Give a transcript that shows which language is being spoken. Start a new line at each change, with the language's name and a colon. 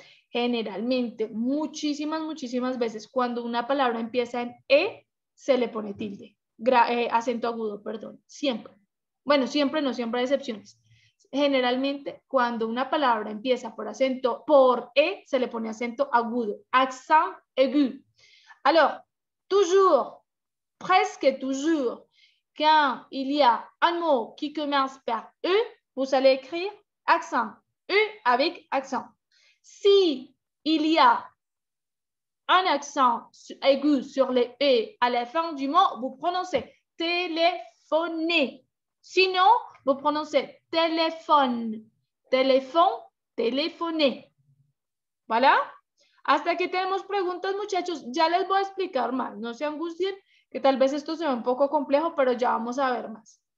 Spanish: Generalmente, muchísimas, muchísimas veces, cuando una palabra empieza en E, se le pone tilde, acento agudo, perdón, siempre. Bueno, siempre no, siempre hay excepciones. Generalmente, cuando una palabra empieza por E, se le pone acento agudo, accent aigu.
French: Alors, toujours, presque toujours, quand il y a un mot qui commence par E, vous allez écrire accent, E avec accent. Si il y a un accent aigu sur les E à la fin du mot, vous prononcez téléphoné. Sinon, vous prononcez téléphone. Téléphone, téléphoné. Voilà.
Spanish: Hasta que tenemos preguntas, muchachos, ya les voy a explicar más. No se angustien, que tal vez esto sea un poco complejo, pero ya vamos a ver más.